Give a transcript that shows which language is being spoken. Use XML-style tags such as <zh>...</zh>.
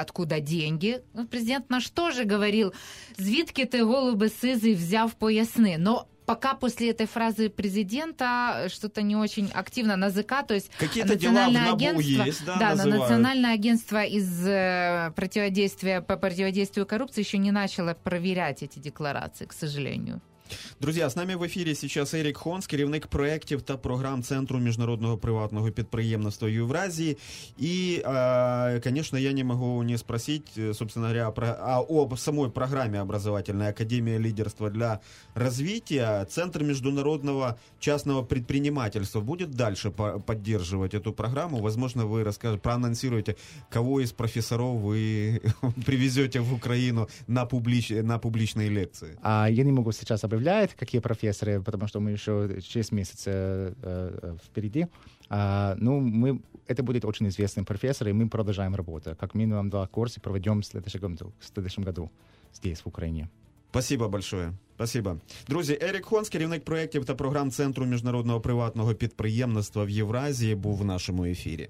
<ru>Откуда деньги? Ну, президент наш тоже говорил,</ru> <uk>звідки ти голуби сизий взяв поясни.</uk> <ru>Но пока после этой фразы президента что-то не очень активно. НАЗК, то есть... Какие-то национальное дела в НАБУ агентство, есть, да, называют. Да, национальное агентство из противодействия по противодействию коррупции еще не начало проверять эти декларации, к сожалению. Друзья, с нами</ru> <uk>в ефірі</uk> <ru>сейчас</ru> <uk>Ерік Хонс, керівник проєктів та програм Центру міжнародного приватного підприємництва Євразії. І, звісно, я не можу не спросити,</uk> <ru>собственно говоря, об самой</ru> <uk>програмі образовательної академії лідерства для розвитку. Центр міжнародного частного підприємництва буде далі підтримувати цю програму?</uk> <ru>Возможно,</ru> <uk>ви проанонсуєте, кого із професорів ви привезете в Україну на публічні лекції?</uk> <ru>Я не можу зараз об объявляет, какие профессоры, потому что мы еще 6 месяцев впереди. Это будет очень известный профессор, и мы продолжаем работу. Как минимум 2 курса проведем в следующем году здесь, в Украине. Спасибо большое. Спасибо.</ru> <uk>Друзі, Ерік Хонс, керівник проєктів та програм Центру міжнародного приватного підприємництва в Євразії, був в нашому ефірі.</uk>